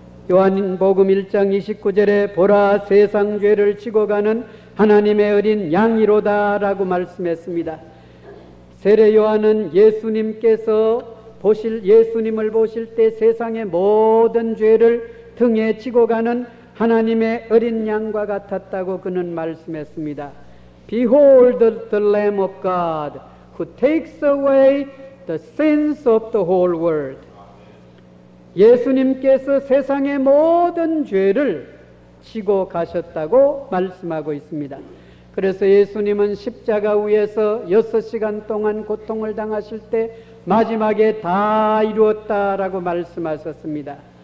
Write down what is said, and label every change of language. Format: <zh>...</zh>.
<ko>요한복음 1장 29절에 보라 세상 죄를 지고 가는 하나님의 어린 양이로다 라고 말씀했습니다. 세례 요한은 예수님께서 보실 예수님을 보실 때 세상의 모든 죄를 등에 지고 가는 하나님의 어린 양과 같았다고 그는 말씀했습니다.</ko> <en>Behold the Lamb of God who takes away the sins of the whole world.</en> <ko>예수님께서 세상의 모든 죄를 지고 가셨다고 말씀하고 있습니다. 그래서 예수님은 십자가 위에서 6시간 동안 고통을 당하실 때 마지막에 다 이루었다라고 말씀하셨습니다.</ko>